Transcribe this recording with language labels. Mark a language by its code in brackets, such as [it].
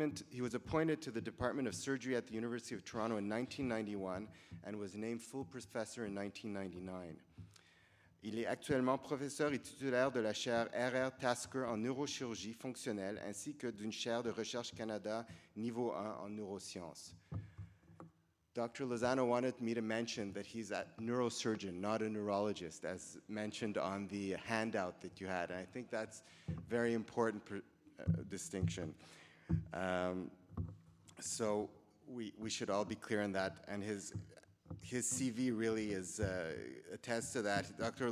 [en] He was appointed to the Department of Surgery at the University of Toronto in 1991 and was named full professor in 1999. [fr] Il est actuellement professeur et titulaire de la chaire R.R. Tasker en neurochirurgie fonctionnelle ainsi que d'une chaire de recherche Canada niveau 1 en neurosciences. [en] Dr. Lozano wanted me to mention that he's a neurosurgeon, not a neurologist, as mentioned on the handout that you had. And I think that's a very important distinction. So we should all be clear on that. And his CV really is attests to that. Dr.